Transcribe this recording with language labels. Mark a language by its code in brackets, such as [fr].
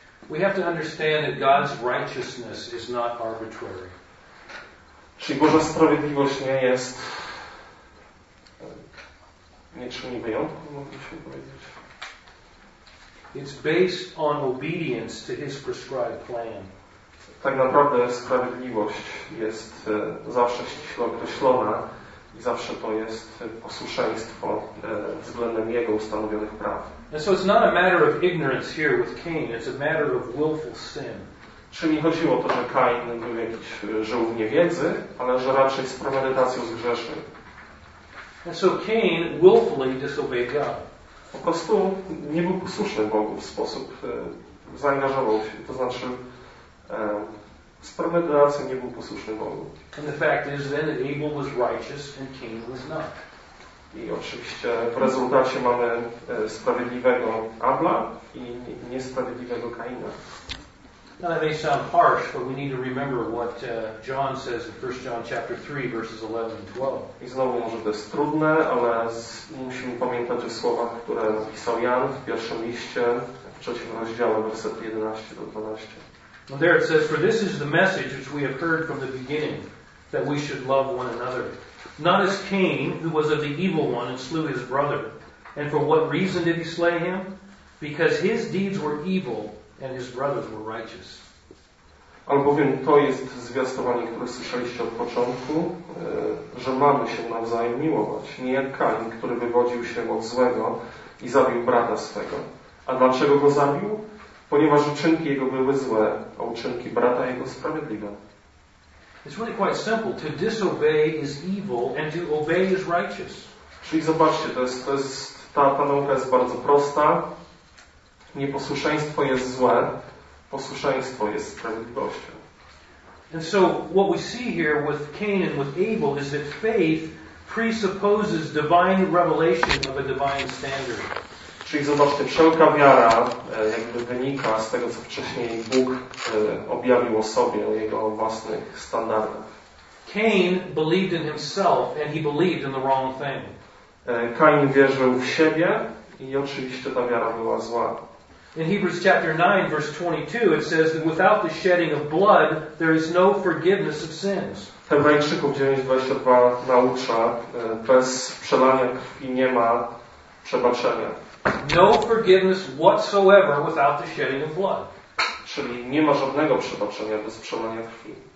[en] We have to understand that God's righteousness is not arbitrary. [pl] Czyli Boża sprawiedliwość nie jest niczym wyjątkowym, moglibyśmy powiedzieć. [en] It's based on obedience to his prescribed plan. [pl] Tak naprawdę sprawiedliwość jest zawsze ściśle określona i zawsze to jest posłuszeństwo względem jego ustanowionych praw. [en] And so it's not a matter of ignorance here with Cain, it's a matter of willful sin. [pl] Czyli nie chodziło o to, że Kain był żył w niewiedzy, ale że raczej z premedytacją zgrzeszył. [en] And so Cain willfully disobeyed God. [pl] Po prostu nie był posłuszny Bogu w sposób, zaangażował się, to znaczy z premedytacją nie był posłuszny Bogu. [en] And the fact is then that Abel was righteous and Cain was not. [pl] I oczywiście w rezultacie mamy sprawiedliwego Abla i niesprawiedliwego Kaina. [en] Now that may sound harsh, but we need to remember what John says in 1 John chapter 3, verses 11 and 12. [pl] I znowu może to jest trudne, ale musimy pamiętać o słowach, które napisał Jan w pierwszym liście, w trzecim rozdziale, wersety 11 do 12. [en] And there it says, for this is the message which we have heard from the beginning, that we should love one another. Not as Cain, who was of the evil one and slew his brother. And for what reason did he slay him? Because his deeds were evil and his brothers were righteous. [pl] Albowiem to jest zwiastowanie, które słyszeliście od początku, że mamy się nawzajem miłować. Nie jak Kain, który wywodził się od złego i zabił brata swego. A dlaczego go zabił? Ponieważ uczynki jego były złe, a uczynki brata jego sprawiedliwe. [en] It's really quite simple. To disobey is evil and to obey is righteous. [pl] Czyli zobaczcie, ta nauka jest bardzo prosta. Nieposłuszeństwo jest złe, posłuszeństwo jest sprawiedliwością. [en] And so what we see here with Cain and with Abel is that faith presupposes divine revelation of a divine standard. [pl] Czyli zobaczcie, wszelka wiara jakby wynika z tego, co wcześniej Bóg objawił o sobie, o jego własnych standardach. [en] Cain believed in himself and he believed in the wrong thing. [pl] Kain wierzył w siebie i oczywiście ta wiara była zła. [en] In Hebrews chapter 9, verse 22, it says that without the shedding of blood, there is no forgiveness of sins. [pl] Hebrajczyków 9:22 naucza, bez przelania krwi nie ma przebaczenia. [en] No forgiveness whatsoever without the shedding of blood. [pl] Czyli nie ma żadnego przebaczenia bez przelania krwi.